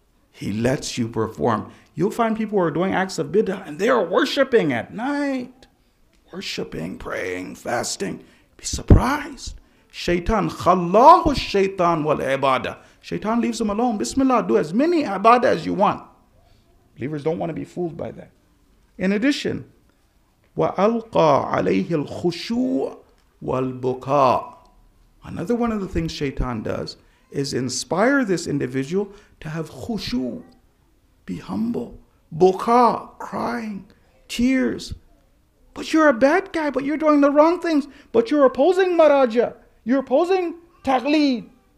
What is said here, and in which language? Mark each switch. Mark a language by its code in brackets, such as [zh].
[en] He lets you perform. You'll find people who are doing acts of bid'ah and they are worshiping at night. Worshiping, praying, fasting. Be surprised. Shaitan, [ar] khallahu shaitan wal ibadah. [en] Shaitan leaves him alone. Bismillah, do as many ibadah as you want. Believers don't want to be fooled by that. In addition, [ar] وَأَلْقَى عَلَيْهِ الْخُشُوعَ وَالْبُكَاءَ. [en] Another one of the things shaitan does is inspire this individual to have khushu, be humble, buka, crying, tears. But you're a bad guy, but you're doing the wrong things, but you're opposing maraja, you're opposing taqlid.